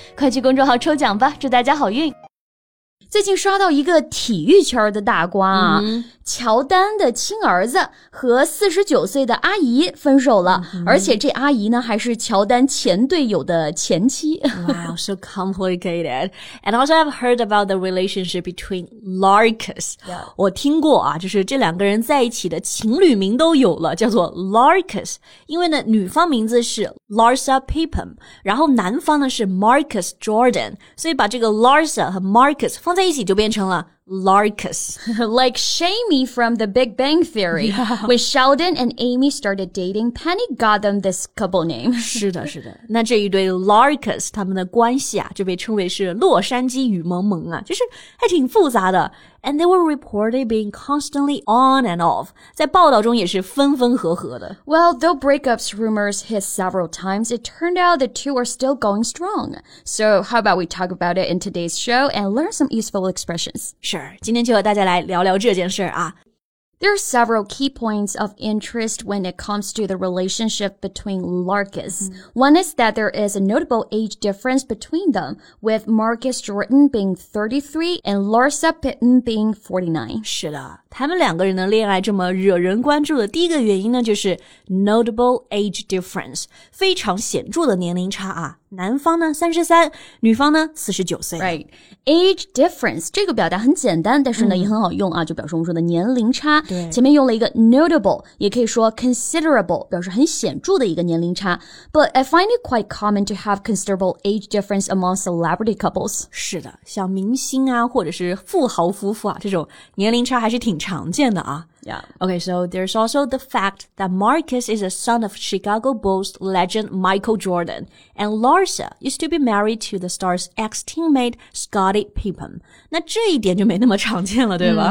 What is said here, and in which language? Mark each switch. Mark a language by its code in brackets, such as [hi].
[zh] 快去公众号抽奖吧，祝大家好运。最近刷到一个体育圈的大瓜啊、嗯、乔丹的亲儿子和49岁的阿姨分手了、嗯、而且这阿姨呢还是乔丹前队友的前妻。 [en] Wow, so complicated. And also I've heard about the relationship between Larkus.、 Yeah. [zh] 我听过啊，就是这两个人在一起的情侣名都有了，叫做 Larkus. 因为呢女方名字是 Larsa Pippen, 然后男方呢是 Marcus Jordan, 所以把这个 Larsa 和 Marcus放在一起就变成了 Larkus. [en] Like Shamey from the Big Bang Theory.、 Yeah. When Sheldon and Amy started dating, Penny got them this couple name. [zh] 是的是的。那这一对 Larkus 他们的关系啊就被称为是洛杉矶雨蒙蒙啊，就是还挺复杂的。 [en] And they were reported being constantly on and off. [zh] 在报道中也是分分合合的。 [en] Well, though breakups rumors hit several times, it turned out the two are still going strong. So how about we talk about it in today's show and learn some useful expressions? [zh] Sure, 今天就和大家来聊聊这件事啊。 [en] There are several key points of interest when it comes to the relationship between Larkus.、Mm-hmm. One is that there is a notable age difference between them, with Marcus Jordan being 33 and Larsa Pippen being 49. [zh] 是的，他们两个人的恋爱这么惹人关注的第一个原因呢，就是 [en] notable age difference, [zh] 非常显著的年龄差啊。男方呢 33, 女方呢49岁。 [en] Right. Age difference, [zh] 这个表达很简单，但是呢、嗯、也很好用啊，就表示我们说的年龄差。对。前面用了一个 notable, 也可以说 considerable, 表示很显著的一个年龄差。 [en] But I find it quite common to have considerable age difference among celebrity couples. [zh] 是的，像明星啊或者是富豪夫妇啊，这种年龄差还是挺常见的啊。 [en] Yeah. Okay, so there's also the fact that Marcus is a son of Chicago Bulls legend Michael Jordan, and Larsa used to be married to the star's ex-teammate Scottie Pippen. [zh] 那这一点就没那么常见了，对吧？